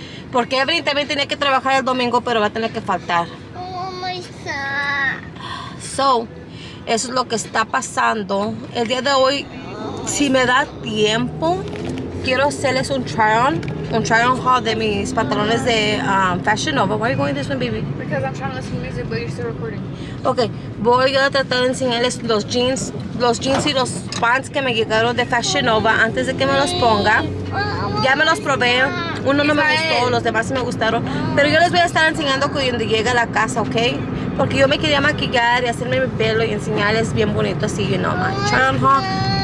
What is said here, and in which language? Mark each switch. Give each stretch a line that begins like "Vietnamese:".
Spanish: Porque Evelyn también tenía que trabajar el domingo, pero va a tener que faltar.
English: Oh, my God.
Spanish: So, eso es lo que está pasando. El día de hoy, si me da tiempo, quiero hacerles un try-on. Un try on haul de mis pantalones de Fashion Nova.
English: Why are you going this one, baby? Because I'm trying to listen to music, but you're still recording.
Spanish: Okay, voy a tratar de enseñarles los jeans y los pants que me llegaron de Fashion Nova antes de que me los ponga. Ya me los probé. Uno no me gustó, los demás sí me gustaron. Pero yo les voy a estar enseñando cuando llegue a la casa, okay? Porque yo me quería maquillar y hacerme mi pelo y enseñarles bien bonito así,
English: you know, my try on haul.